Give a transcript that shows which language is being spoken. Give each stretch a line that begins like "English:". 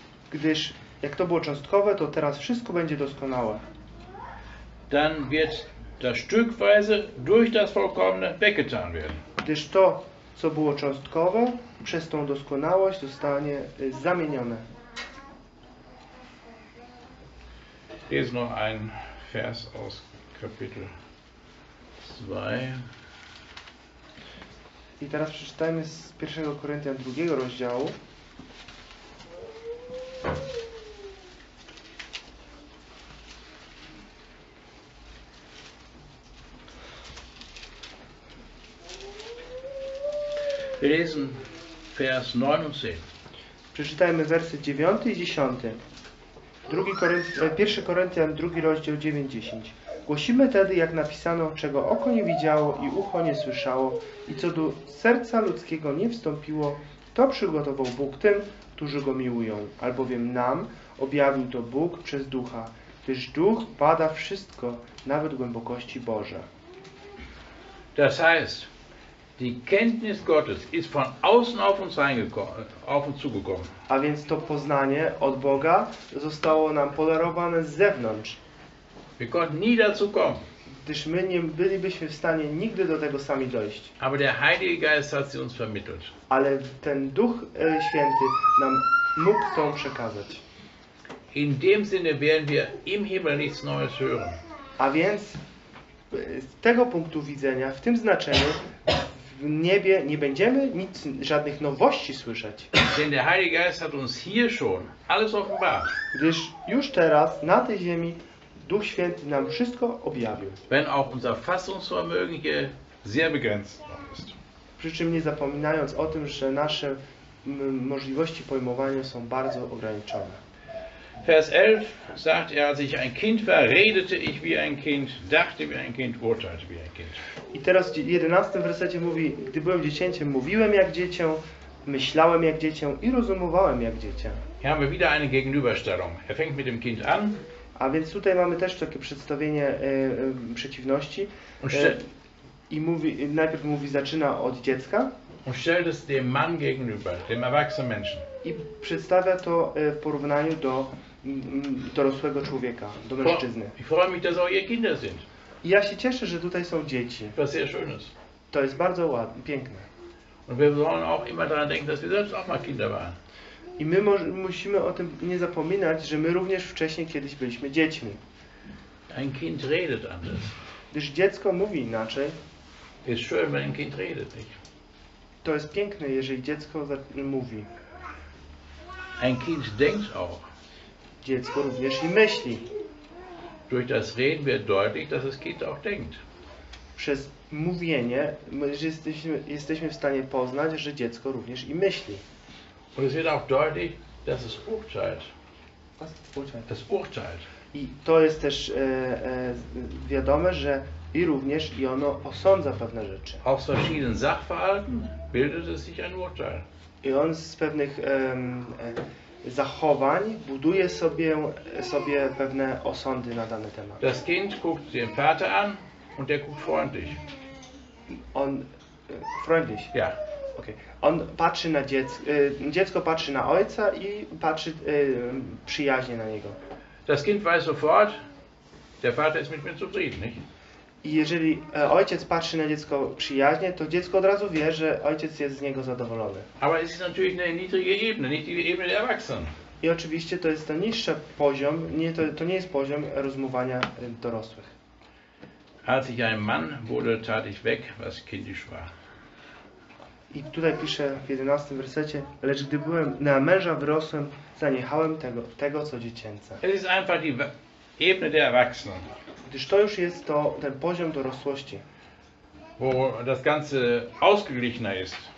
Polish: Gdyż jak to było cząstkowe, to teraz wszystko będzie doskonałe.
German: Dann wird das stückweise durch das vollkommene weggetan werden.
Polish: Gdyż to, co było cząstkowe, przez tą doskonałość zostanie zamienione.
German: Jest noch ein Vers aus Kapitel 2.
Polish: I teraz przeczytajmy z 1 Koryntian 2 rozdziału.
German: Lesen Vers 9 und 10.
Polish: Przeczytajmy wersy 9 i 10. 1 Koryntian 2 rozdział 9-10. Głosimy tedy, jak napisano, czego oko nie widziało i ucho nie słyszało i co do serca ludzkiego nie wstąpiło, to przygotował Bóg tym, którzy Go miłują, albowiem nam objawił to Bóg przez Ducha, gdyż Duch bada wszystko, nawet głębokości Boże.
German: Das heißt, Die Kenntnis Gottes ist von außen auf uns reingekommen, auf uns zugekommen.
Polish: A więc to poznanie od Boga zostało nam podarowane z zewnątrz.
German: Wir konnten nie dazu kommen.
Polish: Gdyż my nie bylibyśmy w stanie nigdy do tego sami dojść.
German: Aber der Heilige Geist hat sie uns vermittelt.
Polish: Ale ten Duch Święty nam mógł to przekazać.
German: In dem Sinne werden wir im Himmel nichts Neues hören.
Polish: A więc z tego punktu widzenia, w tym znaczeniu, w niebie nie będziemy nic, żadnych nowości słyszeć.
German: Denn der Heilige Geist hat uns hier schon alles offenbart.
Polish: Gdyż już teraz, na tej ziemi, Duch Święty nam wszystko objawił.
German: Wenn auch unser Fassungsvermögen hier sehr begrenzt ist.
Polish: Przy czym nie zapominając o tym, że nasze możliwości pojmowania są bardzo ograniczone.
German: Vers 11 sagt er, als ich ein Kind war, redete ich wie ein Kind, dachte wie ein Kind, urteilte wie ein Kind.
Polish: I teraz w 11 wersecie mówi, gdy byłem dziecięciem, mówiłem jak dziecię, myślałem jak dziecię i rozumowałem jak dziecię.
German: Hier haben wir wieder eine Gegenüberstellung. Er fängt mit dem Kind an.
Polish: A więc tutaj mamy też takie przedstawienie przeciwności. I mówi, najpierw mówi, zaczyna od dziecka.
German: Und stellt es dem Mann gegenüber, dem erwachsenen Menschen.
Polish: I przedstawia to w porównaniu do dorosłego człowieka, do mężczyzny.
German: Ich freue mich, dass auch ihr Kinder sind.
Polish: I ja się cieszę, że tutaj są dzieci.
German: Was sehr schönes.
Polish: To jest bardzo ładne, piękne.
German: Und wir sollen auch immer daran denken, dass wir selbst auch mal Kinder waren.
Polish: I my musimy o tym nie zapominać, że my również wcześniej kiedyś byliśmy dziećmi.
German: Ein Kind redet anders.
Polish: Gdyż dziecko mówi inaczej.
German: Ist schön, wenn ein Kind redet, nicht?
Polish: To jest piękne, jeżeli dziecko mówi.
German: Ein Kind denkt auch.
Polish: Dziecko również i myśli.
German: Durch das Reden wird deutlich, dass das Kind auch denkt.
Polish: Przez mówienie jesteśmy w stanie poznać, że dziecko również i myśli.
German: Und es wird auch deutlich, dass es urteilt. Was? Urteilt. Es urteilt.
Polish: I to jest też wiadome, że i również i ono osądza pewne rzeczy.
German: Aus verschiedenen Sachverhalten bildet es sich ein Urteil.
Polish: I on z pewnych zachowań buduje sobie pewne osądy na dany temat.
German: Das Kind guckt den Vater an und der guckt freundlich. On freundlich. Ja. Okay.
Polish: On patrzy na dziecko patrzy na ojca i patrzy przyjaźnie na niego.
German: Das Kind weiß sofort, der Vater ist mit mir zufrieden, nicht?
Polish: I jeżeli ojciec patrzy na dziecko przyjaźnie, to dziecko od razu wie, że ojciec jest z niego zadowolony.
German: Aber es ist natürlich eine niedrige Ebene, nicht die Ebene der Erwachsenen.
Polish: I oczywiście to jest ten niższy poziom, to nie jest poziom rozmowania dorosłych.
German: Als ich ein Mann wurde, tat ich weg, was kindisch war.
Polish: I tutaj pisze w 11 wersecie, lecz gdy byłem na męża wyrosłem, zaniechałem tego co dziecięce.
German: Es ist einfach die Ebene der Erwachsenen.
Polish: Gdyż to już jest to ten poziom dorosłości.
German: Wo das Ganze ausgeglichener ist.